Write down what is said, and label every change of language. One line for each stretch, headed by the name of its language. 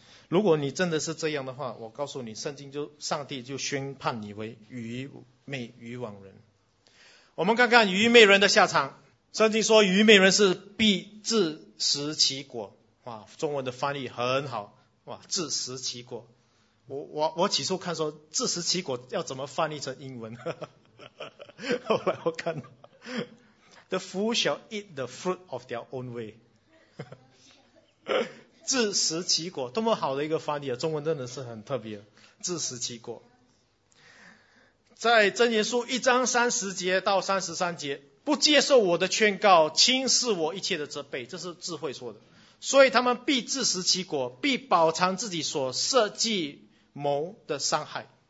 Chinese: 如果你真的是这样的话，我告诉你，圣经就上帝就宣判你为愚昧愚枉人。我们看看愚昧人的下场。圣经说愚昧人是必自食其果。哇，中文的翻译很好。哇，自食其果。我起初看说自食其果要怎么翻译成英文。后来我看
English: The fool shall eat the fruit of their own way.
Chinese: 自食其果，多么好的一个翻译啊！中文真的是很特别，自食其果。在箴言书一章三十节到三十三节，不接受我的劝告，轻视我一切的责备，这是智慧说的。所以他们必自食其果，必饱尝自己所设计谋的伤害。